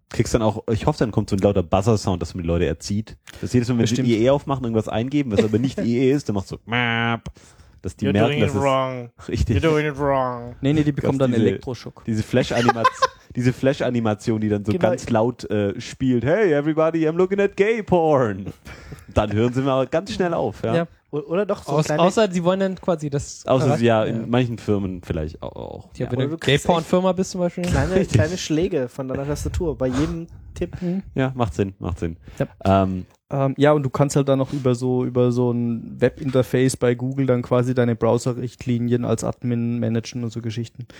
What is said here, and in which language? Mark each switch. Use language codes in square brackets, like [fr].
[de] Kriegst dann auch, ich hoffe, dann kommt so ein lauter Buzzer-Sound, dass man die Leute erzieht. Das jedes Mal, wenn sie IE aufmachen, irgendwas eingeben, was aber nicht IE ist, dann machst du Map. Dass die merken, dass es [en] wrong. [de] Richtig. [en] You're doing it wrong. [de] Nee, die bekommen dann Elektroschock. Diese Flash-Animation, die dann so ganz laut spielt. [en] Hey, everybody, I'm looking at gay porn. [de] Dann hören sie mal ganz schnell auf. Ja. Oder doch so. Außer sie wollen dann quasi das. In manchen Firmen vielleicht auch. Ja, wenn du [en] gay porn- [de] Firma bist zum Beispiel. Kleine Schläge von deiner Tastatur bei jedem Tippen. Ja, macht Sinn. Ja. Und du kannst halt dann noch über so ein Webinterface bei Google dann quasi deine Browser-Richtlinien als Admin managen und so Geschichten.